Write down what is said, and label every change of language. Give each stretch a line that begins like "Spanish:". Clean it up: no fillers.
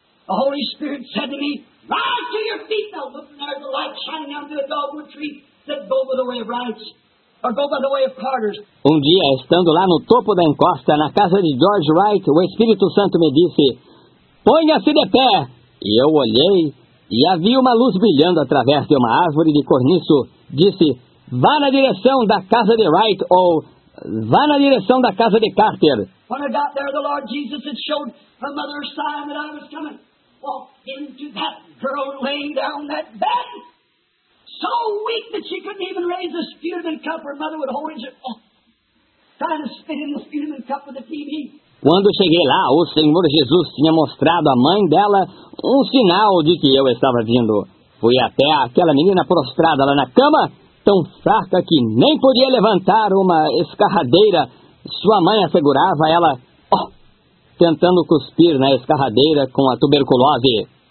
English: The Holy Spirit said to me, rise to your feet now. Look, there's a light shining down to a dogwood tree. Said, go by the way of Wright's, or go by the way of Carter's.
Portuguese: Um dia, estando lá no topo da encosta, na casa de George Wright, o Espírito Santo me disse, ponha-se de pé. E eu olhei, e havia uma luz brilhando através de uma árvore de corniço. Disse, vá na direção da casa de Wright, ou vá na direção da casa de Carter.
English: When I got there, the Lord Jesus had showed her mother a sign that I was coming. Walked into that girl laying down that bed. So weak that she couldn't even raise a sputum and cup. Her mother would hold it, trying to spit in the sputum and cup with the TV.
Portuguese: Quando cheguei lá, o Senhor Jesus tinha mostrado à mãe dela um sinal de que eu estava vindo. Fui até aquela menina prostrada lá na cama, tão fraca que nem podia levantar uma escarradeira. Sua mãe assegurava ela, tentando cuspir na escarradeira com a tuberculose.